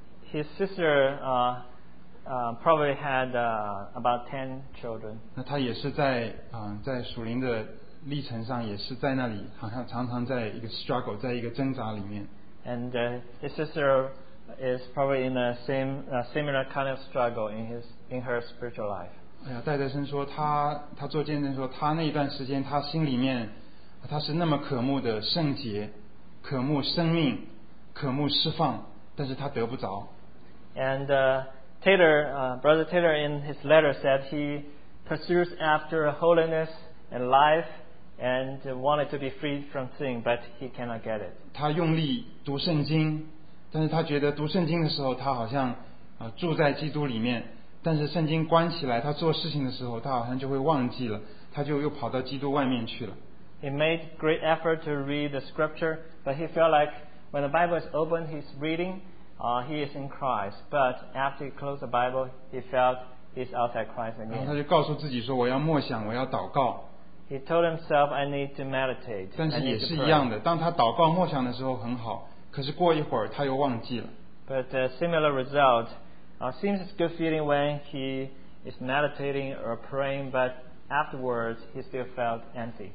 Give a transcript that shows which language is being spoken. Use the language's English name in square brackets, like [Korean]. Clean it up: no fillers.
[English] His sister probably had about 10 children. [Chinese] 那他也是在属灵的历程上也是在那里好像常常在一个 struggle 在一个挣扎里面。 [English] And his sister is probably in the same similar kind of struggle in her spiritual life. [Chinese] 哎呀，戴德森说他做见证说他那段时间他心里面他是那么渴慕的圣洁，渴慕生命，渴慕释放，但是他得不着。 [English] And Taylor, Brother Taylor in his letter said he pursues after holiness and life and wanted to be freed from sin, but he cannot get it. [Chinese] 他用力读圣经，但是他觉得读圣经的时候他好像住在基督里面，但是圣经关起来他做事情的时候他好像就会忘记了，他就又跑到基督外面去了。 [English] He made great effort to read the scripture, but he felt like when the Bible is open he's readingHe is in Christ, but after he closed the Bible, he felt he's outside Christ again. [Chinese] 然后他就告诉自己说：“我要默想，我要祷告。” [English] He told himself, "I need to meditate." [Chinese] 但是也是一样的，当他祷告默想的时候很好，可是过一会儿他又忘记了。 [English] But a similar result, seems a good feeling when he is meditating or praying, but afterwards he still felt empty.